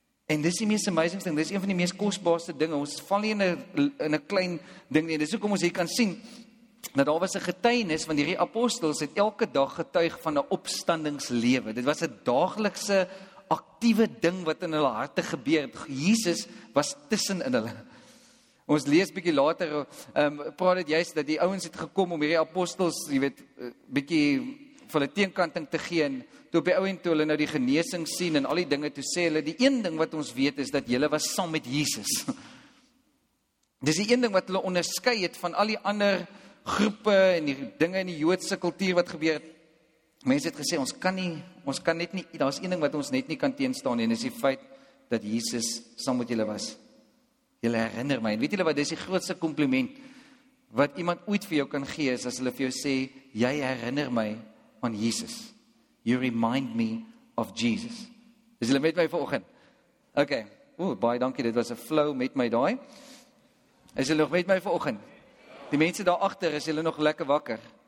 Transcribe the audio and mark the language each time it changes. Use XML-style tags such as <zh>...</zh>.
<af>En dis die mees amazing ding, dis een van die mees kostbaarste dinge, ons val nie in een klein ding nie, dis ook om ons hier kan sien, dat daar was een getuienis, want die apostels het elke dag getuig van een opstandingslewe, dit was een dagelikse actieve ding wat in hulle harte gebeur, Jesus was tussen in hulle. Ons lees bykie later, praat het juist dat die ouwens het gekom om die apostels, jy weet, bykie vir hulle teenkanting te gee, en toe op die ouwens toe hulle nou die genesing sien, en al die dinge toe sê hulle, die een ding wat ons weet is, dat julle was saam met Jesus. Dis die een ding wat hulle onderskei het van al die ander groepe, en die dinge in die joodse kultuur wat gebeur het, mense het gesê, ons kan net nie, daar is een ding wat ons net nie kan teenstaan, en is die feit, dat Jesus saam met julle was. Julle herinner my, en weet julle wat, dit is die grootste compliment, wat iemand ooit vir jou kan gee, is as hulle vir jou sê, jy herinner my aan Jesus.</af> <en>You remind me of Jesus.</en> <af>Is julle met my vanoggend? Ok, baie dankie, dit was een flow met my daai. Is julle nog met my vanoggend? Die mense daar achter, is julle nog lekker wakker?</af>